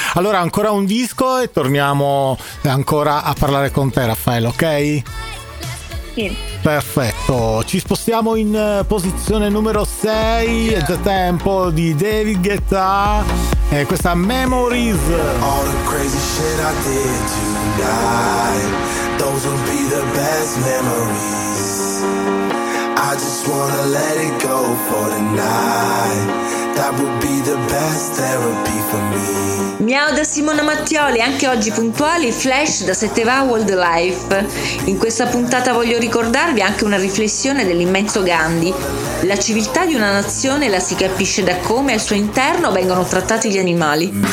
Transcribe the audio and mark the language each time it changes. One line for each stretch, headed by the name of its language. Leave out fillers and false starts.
Italian: Allora ancora un disco e torniamo ancora a parlare con te, Raffaele, ok? Sì. Perfetto, ci spostiamo in posizione numero 6, è già tempo, di David Guetta, e questa Memories.
English: All the crazy shit I did tonight, those will be the best memories. I just wanna let it go for tonight, that would be the best therapy for me.
Italian: Miau da Simona Mattioli, anche oggi puntuali, flash da 7 Va World Life. In questa puntata voglio ricordarvi anche una riflessione dell'immenso Gandhi. La civiltà di una nazione la si capisce da come al suo interno vengono trattati gli animali.